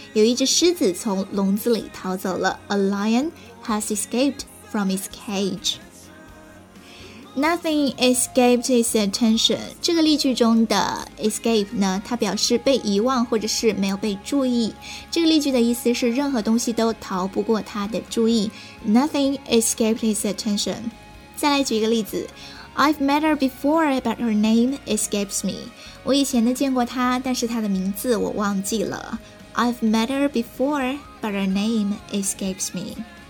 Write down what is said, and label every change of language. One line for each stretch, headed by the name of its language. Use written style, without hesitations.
Chinese: 有一只狮子从笼子里逃走了。
English: A lion has escaped from his cage. Nothing escaped his attention.
Chinese: 这个例句中的 escape 呢，它表示被遗忘或者是没有被注意。这个例句的意思是任何东西都逃不过他的注意。
English: Nothing escaped his attention.
Chinese: 再来举一个例子，
English: I've met her before, but her name escapes me.
Chinese: 我以前呢见过她，但是她的名字我忘记了。
English: I've met her before, but her name escapes me.